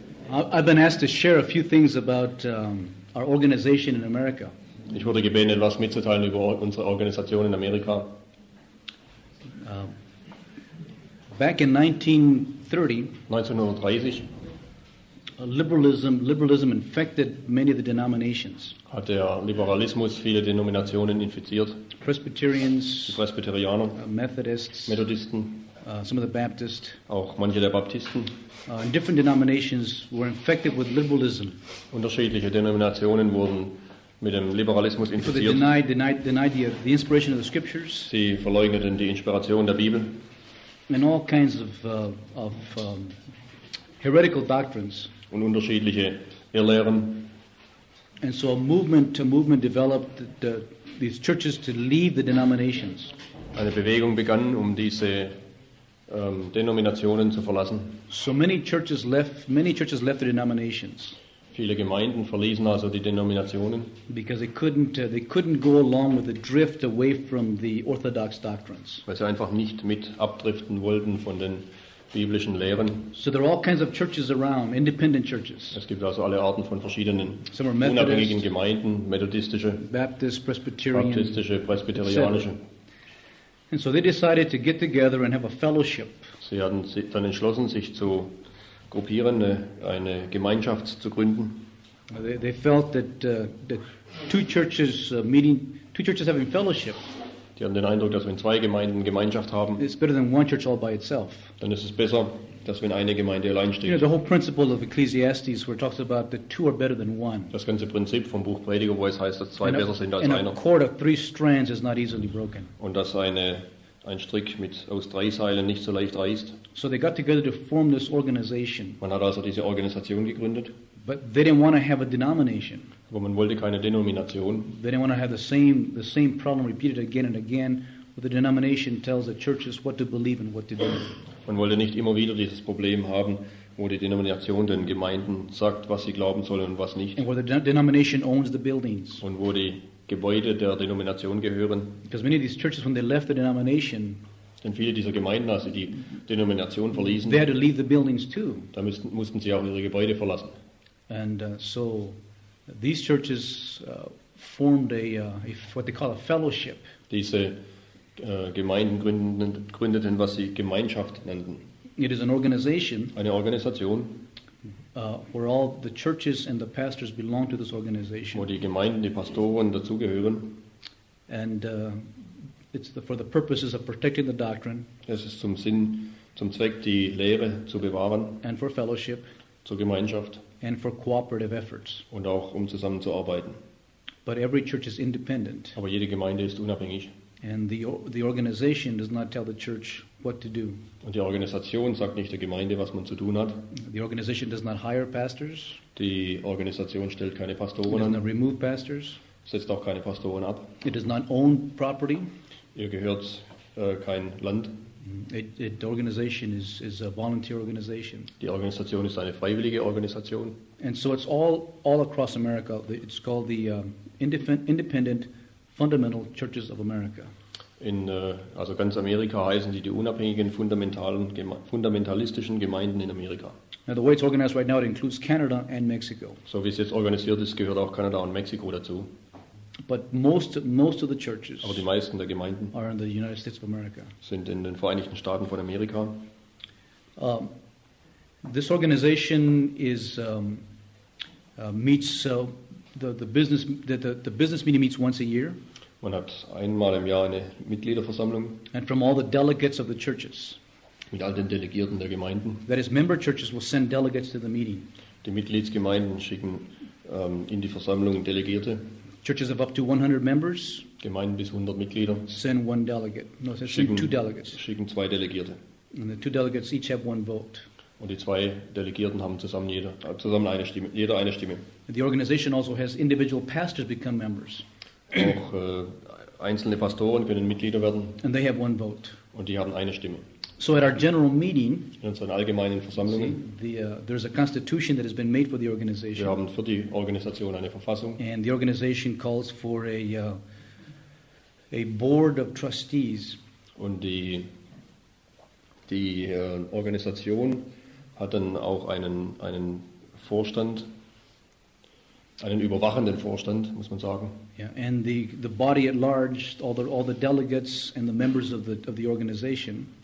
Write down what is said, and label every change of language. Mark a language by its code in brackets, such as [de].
[en] I've been asked to share a few things about our organization in America. [de] Ich wurde gebeten, etwas mitzuteilen über unsere Organisation in Amerika. [en] Back in 1930, liberalism infected many of the denominations. [de] Hat der Liberalismus viele Denominationen infiziert? [en] Presbyterians, [de] die Presbyterianer, [en] Methodists, [de] Methodisten, [en] some of the Baptists, [de] auch manche der Baptisten. [en] Different denominations were infected with liberalism. [de] Unterschiedliche Denominationen wurden mit dem Liberalismus infiziert. [en] Denied the inspiration of the scriptures. [de] Sie verleugneten die Inspiration der Bibel. [en] And all kinds of heretical doctrines. [de] Und unterschiedliche Irrlehren. [en] And so a movement developed these churches to leave the denominations. [de] Eine Bewegung begann, um diese Denominationen zu verlassen. [en] So many churches left the denominations. [de] Viele Gemeinden verließen also die Denominationen. [en] Because they couldn't go along with the drift away from the orthodox doctrines. [de] Weil sie einfach nicht mit abdriften wollten von den biblischen Lehren. [en] So there are all kinds of churches around, independent churches. [de] Es gibt also alle Arten von verschiedenen unabhängigen Gemeinden, methodistische, Baptistische, Presbyterianische. [en] And so they decided to get together and have a fellowship. [de] Sie hatten dann entschlossen, sich zu gruppieren, eine Gemeinschaft zu gründen. [en] They felt that two churches having fellowship. [de] Die haben den Eindruck, dass wenn zwei Gemeinden Gemeinschaft haben, [en] it's better than one church all by itself. [de] Dann ist es besser, dass wenn eine Gemeinde allein steht. [en] You know, the whole principle of Ecclesiastes, where it talks about that two are better than one. [de] Das ganze Prinzip vom Buch Prediger, wo es heißt, dass zwei besser sind als [en] and [de] einer. [en] A cord of three strands is not easily broken. [de] Und dass ein Strick aus drei Seilen nicht so leicht reißt. [en] So they got together to form this organization. [de] Man hat also diese Organisation gegründet. [en] But they didn't want to have a denomination. [de] Aber man wollte keine Denomination. [en] They didn't want to have the same problem repeated again and again, where the denomination tells the churches what to believe and what to do. [de] Man wollte nicht immer wieder dieses Problem haben, wo die Denomination den Gemeinden sagt, was sie glauben sollen und was nicht. [en] And where the denomination owns the buildings. [de] Und wo die Gebäude der Denomination gehören. [en] Because many of these churches, when they left the denomination, [de] denn viele dieser Gemeinden, als sie die Denomination verließen, [en] they had to leave the buildings too. [de] Da mussten sie auch ihre Gebäude verlassen. [en] And so these churches formed what they call a fellowship. [de] Diese Gemeinden gründeten, was sie Gemeinschaft nannten. [en] It is an organization. [de] Eine Organisation. [en] Where all the churches and the pastors belong to this organization. [de] Wo die Gemeinden, die Pastoren dazugehören. [en] And for the purposes of protecting the doctrine. [de] Es ist zum Sinn, zum Zweck, die Lehre zu bewahren. [en] And for fellowship. [de] Zur Gemeinschaft. [en] And for cooperative efforts. [de] Und auch zusammenzuarbeiten. [en] But every church is independent. [de] Aber jede Gemeinde ist unabhängig. [en] And the organization does not tell the church what to do. [de] Und die Organisation sagt nicht der Gemeinde, was man zu tun hat. [en] The organization does not hire pastors. [de] Die Organisation stellt keine Pastoren an. [en] It does not remove pastors. [de] Setzt auch keine Pastoren ab. [en] It does not own property. [de] Ihr gehört kein Land. [en] The organization is a volunteer organization. [de] Die Organisation ist eine freiwillige Organisation. [en] And so it's all across America. It's called the Independent Fundamental Churches of America. [de] In also ganz Amerika heißen sie die unabhängigen fundamentalistischen Gemeinden in Amerika. [en] Now the way it's organized right now, it includes Canada and Mexico. [de] So wie es jetzt organisiert ist, gehört auch Kanada und Mexiko dazu. [en] But most of the churches, [de] aber die meisten der Gemeinden, [en] are in the United States of America. [de] Sind in den Vereinigten Staaten von Amerika. [en] This organization is meets the business meeting meets once a year. [de] Man hat einmal im Jahr eine Mitgliederversammlung. [en] And from all the delegates of the churches. [de] Mit all den Delegierten der Gemeinden. [en] That is, member churches will send delegates to the meeting. [de] Die Mitgliedsgemeinden schicken in die Versammlung Delegierte. [en] Churches of up to 100 members. [de] Gemeinden bis 100 Mitglieder. [en] Send one delegate. No, send schicken, two delegates. [de] Schicken zwei Delegierte. [en] And the two delegates each have one vote. [de] Und die zwei Delegierten haben zusammen eine Stimme. Jeder eine Stimme. [en] The organization also has individual pastors become members. [de] Auch einzelne Pastoren können Mitglieder werden. [en] And they have one vote. [de] Und die haben eine Stimme. [en] So at our general meeting, [de] in unseren allgemeinen Versammlungen, [en] there's a constitution that has been made for the organization. [de] Wir haben für die Organisation eine Verfassung. [en] And the organization calls for a board of trustees. [de] Und die Organisation hat dann auch einen Vorstand, einen überwachenden Vorstand, muss man sagen. [en] Yeah, and the body at large, all the delegates and the members of the organization.